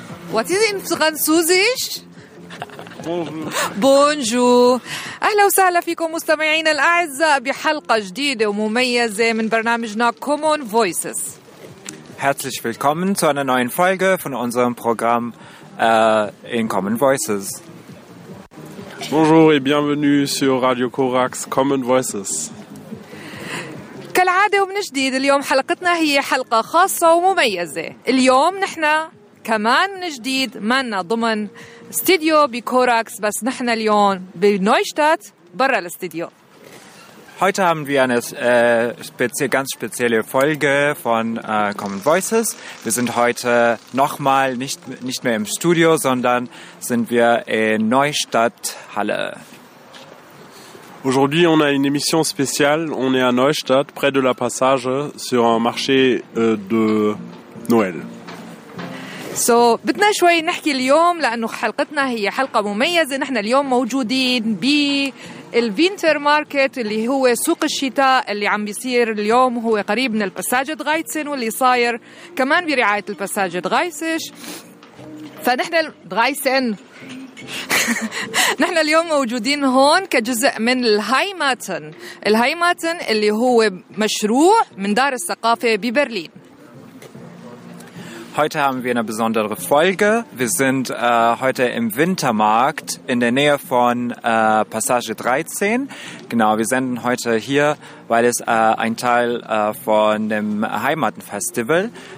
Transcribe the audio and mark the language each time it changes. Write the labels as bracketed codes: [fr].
[en] What is in французиш? [fr] Бонжур! [ar] أهلا وسهلا فيكم مستمعين الأعزاء بحلقة جديدة ومميزة من برنامجنا Common Voices. [de] Herzlich willkommen zu einer neuen Folge von unserem Programm in Common Voices. [fr] Bonjour et bienvenue sur Radio Corax Common Voices. [ar] كالعادة ومن جديد اليوم حلقتنا هي حلقة خاصة ومميزة. اليوم نحن كمان من جديد مانا ضمن استديو بكوراكس بس نحن اليوم بنويشتات برا الاستديو. [de] Heute haben wir eine ganz spezielle Folge von Common Voices. Wir sind heute nochmal nicht mehr im Studio, sondern sind wir in Neustadt Halle. [fr] Aujourd'hui, on a une émission spéciale. On est à Neustadt, près de la Passage, sur un marché de Noël. [ar] So, بدنا شوي نحكي اليوم لأنه حلقتنا هي حلقة مميزة. نحن اليوم موجودين بالفينتر ماركت اللي هو سوق الشتاء اللي عم بيصير اليوم, هو قريب من الباساجة دغايسن واللي صاير كمان برعاية الباساجة دغايسش. فنحن دغايسن نحن اليوم موجودين هون كجزء من الهايماتن. الهايماتن اللي هو مشروع من دار الثقافة ببرلين. [de] Heute haben wir eine besondere Folge. Wir sind heute im Wintermarkt in der Nähe von Passage 13. Genau, wir senden heute hier, weil es ein Teil von dem Heimatenfestival